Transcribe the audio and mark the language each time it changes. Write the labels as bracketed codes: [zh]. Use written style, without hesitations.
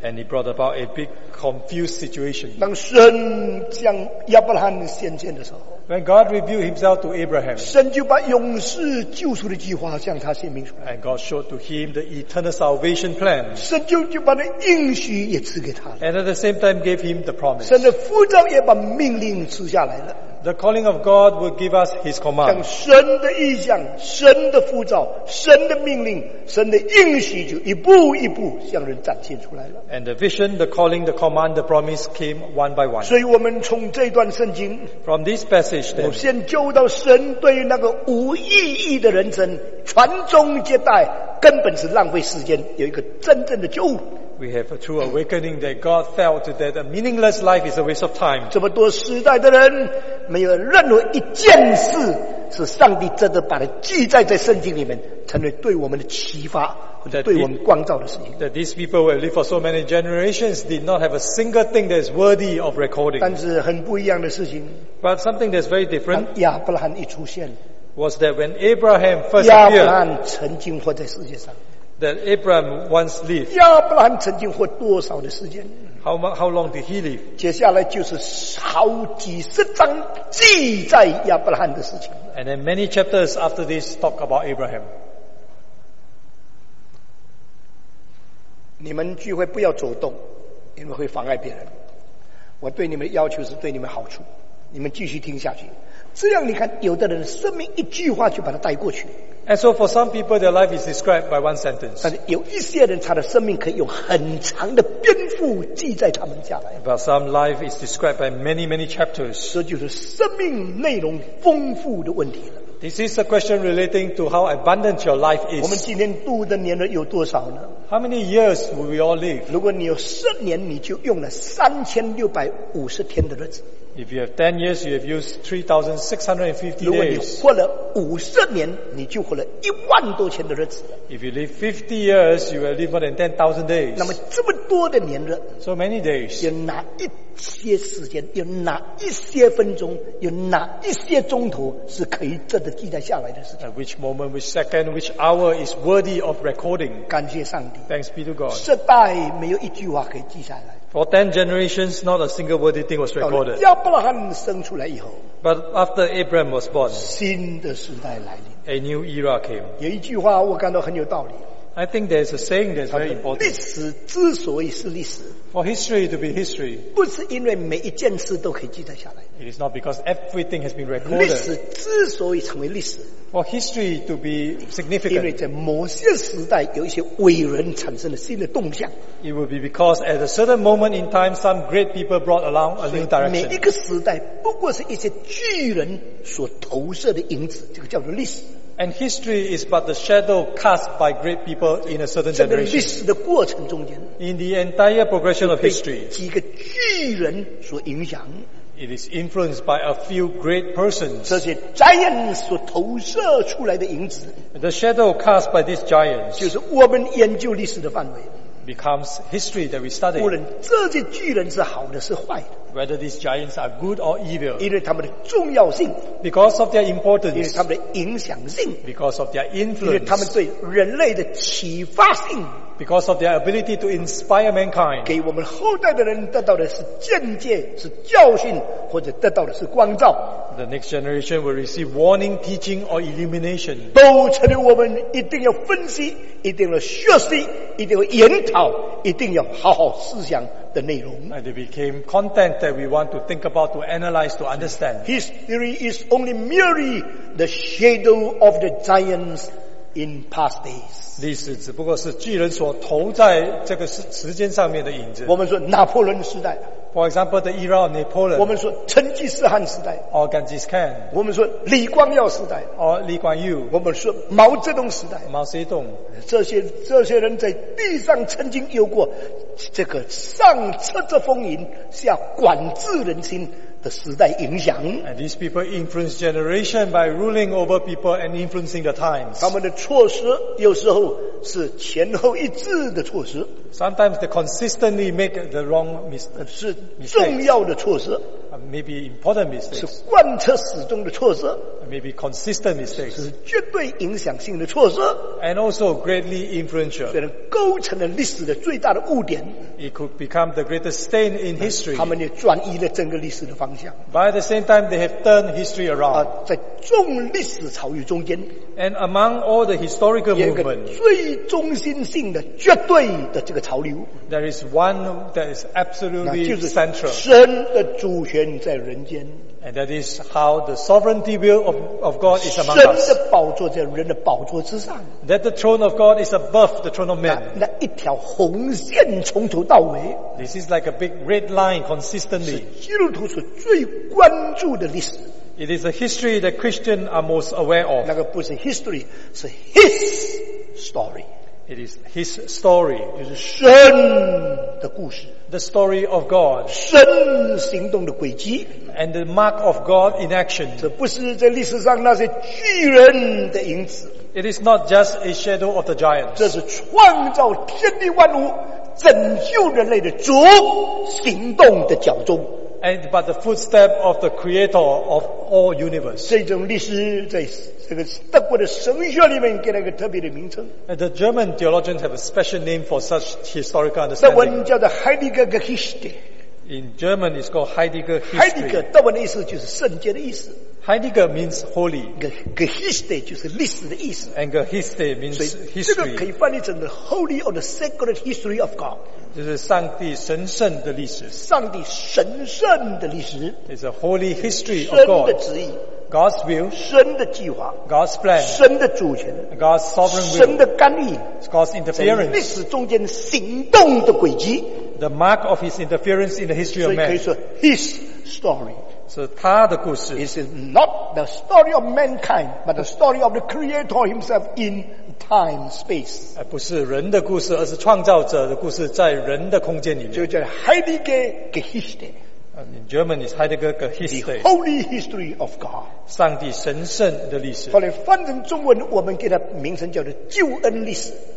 [en] And it brought about a big confused situation. [zh] 当神向亚伯拉罕显现的时候， [en] When God revealed Himself to Abraham, [zh] 神就把永世救赎的计划向他显明出来。 [en] And God showed to him the eternal salvation plan. [zh] 神就把那应许也赐给他了。 [en] And at the same time gave him the promise. [zh] 神的呼召也把命令赐下来了。 [en] The calling of God will give us His command. [zh] 像神的意象、神的呼召、神的命令、神的应许，就一步一步向人展现出来了。 [en] And the vision, the calling, the command, the promise came one by one. [zh] 所以我们从这段圣经， [en] from this passage, then, [zh] 我先就到神对那个无意义的人生传宗接代，根本是浪费时间，有一个真正的救。 [en] We have a true awakening that God felt that a meaningless life is a waste of time. [zh] 这么多时代的人，没有任何一件事是上帝真的把它记载在圣经里面，成为对我们的启发，对我们光照的事情。 [en] That these people who lived for so many generations did not have a single thing that is worthy of recording. [zh] 但是很不一样的事情。 [en] But something that's very different. [zh] 亚伯拉罕一出现。 [en] Was that when Abraham first appeared? [zh] 亚伯拉罕曾经活在世界上。 [en] That Abraham once lived. [zh] 亚伯拉罕曾经活多少的时间？ [en] How long did he live? [zh] 接下来就是好几十章记载亚伯拉罕的事情。 [en] And then many chapters after this talk about Abraham. [zh] 你们聚会不要走动，因为会妨碍别人。我对你们的要求是对你们好处，你们继续听下去。这样你看，有的人生命一句话就把它带过去。 [en] And so for some people, their life is described by one sentence. [zh] 但是有一些人，他的生命可以有很长的篇幅记载他们下来。 [en] But some life is described by many, many chapters. [zh] 这就是生命内容丰富的问题了。 [en] This is a question relating to how abundant your life is. [zh] 我们今天度的年有多少呢？ [en] How many years will we all live? [zh] 如果你有十年，你就用了3650天的日子。 [en] If you have 10 years, you have used 3,650 days. If you live 50 years, you will live more than 10,000 days. [zh] 那么这么多的年日, [en] so many days. [zh] 有哪一些时间，有哪一些分钟，有哪一些钟头是可以真的记载下来的事情？ [en] Which moment, which second, which hour is worthy of recording? [zh] 感谢上帝。 [en] Thanks be to God. [zh] 世代没有一句话可以记下来。 [en] For 10 generations, not a single worthy thing was recorded. [zh] 亚伯拉罕生出来以后, [en] But after Abraham was born, [zh] 新的时代来临, [en] a new era came. [zh] 有一句话我感到很有道理。 [en] I think there's a saying that's very important. [zh] 历史之所以是历史, [en] For history to be history, [zh] 不是因为每一件事都可以记载下来。 [en] It is not because everything has been recorded. [zh] 历史之所以成为历史, [en] For history to be significant, [zh] 因为在某些时代有一些伟人产生了新的动向。 [en] It will be because at a certain moment in time, some great people brought along a new direction. [zh] 每一个时代不过是一些巨人所投射的影子，这个叫做历史。 [en] And history is but the shadow cast by great people in a certain generation. [zh] 在历史的过程中间 [en] ，in the entire progression of history, [zh] 几个巨人所影响。 [en] It is influenced by a few great persons. [zh] 这些 giants 所投射出来的影子 [en] ，the shadow cast by these giants, [zh] 就是我们研究历史的范围。 [en] Becomes history that we study. [zh] 无论这些巨人是好的是坏的 [en] Whether these giants are good or evil. [zh] 因为他们的重要性 [en] Because of their importance. [zh] 因为他们的影响性 [en] Because of their influence. [zh] 因为他们对人类的启发性 [en] Because of their ability to inspire mankind. [zh] 给我们后代的人得到的是见解，是教训，或者得到的是光照。 [en] The next generation will receive warning, teaching, or illumination. [zh] 都成为我们一定要分析，一定要学习，一定要研讨，一定要好好思想的内容。 [en] And it became content that we want to think about, to analyze, to understand. History is only merely the shadow of the giants in past days. [zh] 历史只不过是巨人所投在这个时间上面的影子。我们说拿破仑时代。 [en] For example, the era of Napoleon. [zh] 我们说成吉思汗时代。 [en] Or Genghis Khan. [zh] 我们说李光耀时代。 [en] Or Lee Kuan Yew. [zh] 我们说毛泽东时代。毛泽东。这些人在地上曾经有过这个上策之风云，下管制人心的时代影响。 [en] And these people influence generation by ruling over people and influencing the times. [zh] 他们的措施有时候是前后一致的措施。 [en] Sometimes they consistently make the wrong mistakes. [zh] 是重要的措施。 [en] Maybe important mistakes. [zh] 是贯彻始终的措施。 [en] Maybe consistent mistakes. [zh] 是绝对影响性的措施。 [en] And also greatly influential. [zh] 所以构成了历史的最大的污点。 [en] It could become the greatest stain in history. [zh] 他们也转移了整个历史的方向。 [en] By the same time, they have turned history around. [zh] 在众历史潮流中间。 [en] And among all the historical movement. [zh] 最中心性的绝对的这个潮流 [en] There is one that is absolutely central. [zh] 神的主权在人间 [en] And that is how the sovereignty will of God is among us. [zh] 神的宝座在人的宝座之上 [en] That the throne of God is above the throne of man. [zh] 那一条红线从头到尾 [en] This is like a big red line consistently. [zh] 是基督徒所最关注的历史 [en] It is a history that Christians are most aware of. [zh] 那个不是 [en] history, [zh] 是 [en] his story. It is His story. [zh] 就是神的故事。 [en] The story of God. [zh] 神行动的轨迹。 [en] And the mark of God in action. [zh] 这不是在历史上那些巨人的影子。 [en] It is not just a shadow of the giants. [zh] 这是创造天地万物、拯救人类的主行动的脚踪。 [en] And but the footstep of the creator of all universe. [zh] 这种历史在这个德国的神学里面给了一个特别的名称。 [en] And the German theologians have a special name for such historical understanding. [zh] 德文叫做 Heidegger Geschichte. [en] In German, it's called Heidegger History. [zh] Heidegger 德文的意思就是圣洁的意思。 [en] Heidegger means holy. [zh] Geschichte 就是历史的意思。 [en] And Geschichte means history. [zh] 这个可以翻译成 [en] the holy or the sacred history of God. [zh] 就是上帝神圣的历史。上帝神圣的历史。 [en] It's a holy history of God. [zh] 神的旨意。 [en] God's will. [zh] 神的计划。 [en] God's plan. [zh] 神的主权。 [en] God's sovereign will. [zh] 神的干预。 [en] God's interference. [zh] 历史中间行动的轨迹。 [en] The mark of His interference in the history of man. [zh] 所以可以说 [en] His story. [zh] 是他的故事。 [en] It's not the story of mankind, but the story of the Creator Himself in. Time, space. [zh] 不是人的故事，而是创造者的故事，在人的空间里面。就叫 Heidegger Geschichte. [en] In German, it's Heidegger Geschichte. The holy history of God. [zh] 上帝神圣的历史。后来翻成中文，我们给它名称叫做救恩历史。